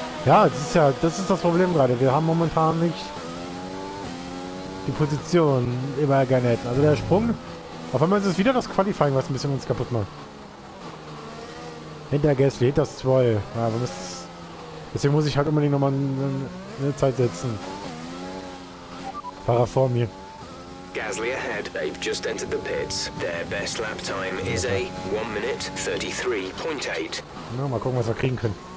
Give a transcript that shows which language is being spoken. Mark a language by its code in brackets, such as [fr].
[de] Ja, das ist ja, das ist das Problem gerade. Wir haben momentan nicht die Position immer gerne hätten. Also der Sprung, auf einmal ist es wieder das Qualifying, was ein bisschen uns kaputt macht. Hinter Gasly, hinter Stroll. Ja, deswegen muss ich halt unbedingt nochmal eine Zeit setzen. Fahrer vor mir. [en] Gasly ahead, they've just entered the pits. Their best lap time is a 1 minute 33.8. [de] Na, mal gucken, was wir kriegen können.